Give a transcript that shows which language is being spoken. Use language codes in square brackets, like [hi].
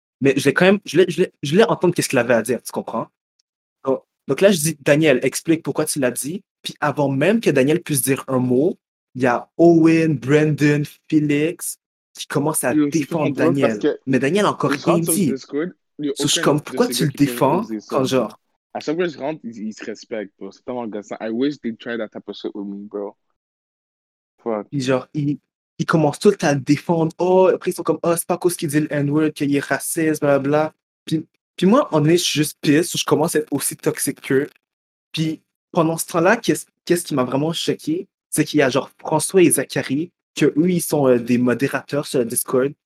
[fr] Mais je l'ai quand même, je l'ai entendre qu'est-ce qu'il avait à dire, tu comprends? Donc là, je dis, Daniel, explique pourquoi tu l'as dit. Puis avant même que Daniel puisse dire un mot, il y a Owen, Brandon, Félix qui commencent à défendre Daniel. Mais Daniel n'a encore rien dit. So je suis comme, pourquoi tu le défends quand genre... À chaque fois que je rentre, il se respecte, bro. C'est tellement gossant. [en] I wish they tried that type of shit with me, bro. Fuck. [fr] Puis genre, il commence tout le temps à le défendre. Oh, après, ils sont comme, oh, c'est pas cool ce qu'il dit, le N-word, qu'il est raciste, blablabla. Puis moi, en vrai, je suis juste pisse. Je commence à être aussi toxique qu'eux. Puis pendant ce temps-là, qu'est-ce qui m'a vraiment choqué? C'est qu'il y a genre François et Zachary, qu'eux, ils sont des modérateurs sur le Discord.